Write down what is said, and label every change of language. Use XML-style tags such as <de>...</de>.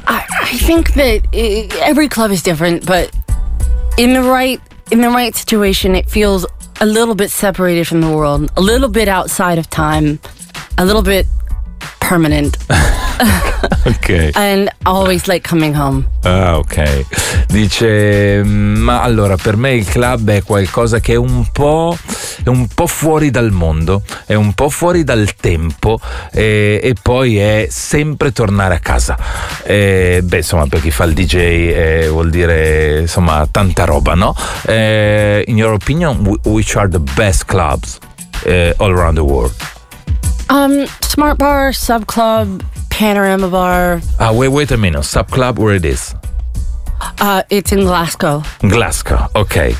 <en>I think that every club is different, but In the right situation, it feels a little bit separated from the world, a little bit outside of time, a little bit permanent. Okay. And always like coming home. Ah, ok.</en> <it>Dice, ma allora, per me il club è qualcosa che è un po' fuori dal mondo, è un po' fuori dal tempo, e poi è sempre tornare a casa. E, beh, insomma, per chi fa il DJ vuol dire, insomma, tanta roba, no?</it> <en>In your opinion, which are the best clubs all around the world? Smart Bar, Sub Club, Panorama Bar. Ah, wait a minute. Sub Club, where it is? It's in Glasgow. Glasgow, okay.</en>